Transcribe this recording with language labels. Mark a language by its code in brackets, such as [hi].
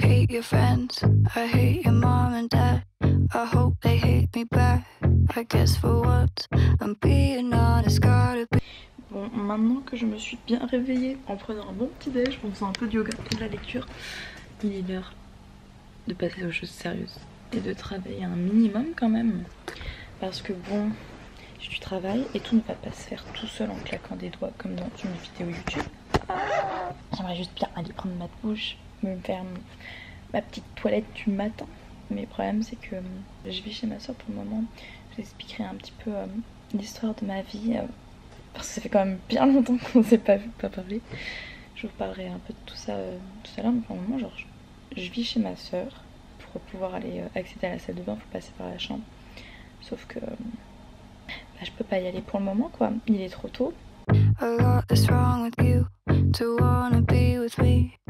[en] Your friends, I hate your mom and dad. I hope they hate me back. I guess for what I'm being honest, gotta be. [fr] Bon, maintenant que je me suis bien réveillée en prenant un bon petit déj, en faisant un peu de yoga et de la lecture, il est l'heure de passer aux choses sérieuses et de travailler un minimum quand même. Parce que bon, j'ai du travail et tout ne va pas se faire tout seul en claquant des doigts comme dans une vidéo YouTube. J'aimerais juste bien aller prendre ma douche, me faire ma petite toilette du matin. Mais le problème c'est que je vais chez ma soeur pour le moment. Je vous expliquerai un petit peu l'histoire de ma vie. Parce que ça fait quand même bien longtemps qu'on ne s'est pas vu, pas parlé. Je vous parlerai un peu de tout ça tout à l'heure. Mais pour le moment, genre, je vis chez ma soeur. Pour pouvoir aller accéder à la salle de bain, il faut passer par la chambre. Sauf que bah, je peux pas y aller pour le moment, quoi. Il est trop tôt. [en] A lot is wrong with you to wanna be with me.